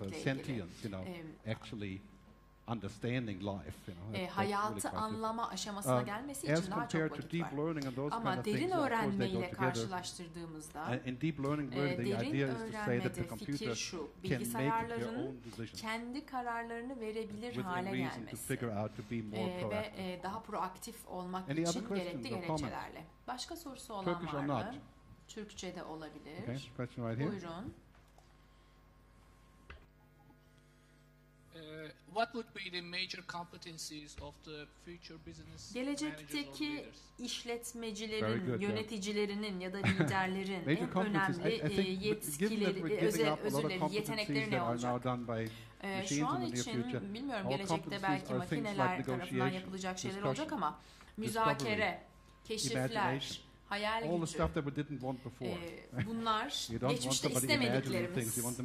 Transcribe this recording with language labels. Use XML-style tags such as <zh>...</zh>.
<en>Of sentience, you know, actually understanding life, you know,</en> <tr>hayatı anlama aşamasına gelmesi için daha çok vakit var. Ama derin öğrenme ile karşılaştırdığımızda, derin öğrenmede fikir şu, bilgisayarların kendi kararlarını verebilir hale gelmesi ve daha proaktif olmak için gerekli gerekçelerle. Başka sorusu olan var mı? Türkçe de olabilir. Buyurun.</tr> <en>What would be the major competencies of the future business?</en> <tr>Gelecekteki işletmecilerin, yöneticilerinin ya da liderlerin en önemli özellikleri, yetenekleri ne olacak? Şu an için bilmiyorum, gelecekte belki makineler tarafından yapılacak şeyler olacak ama müzakere, keşifler, hayal gücü, bunlar geçmişte istemediklerimiz.</tr>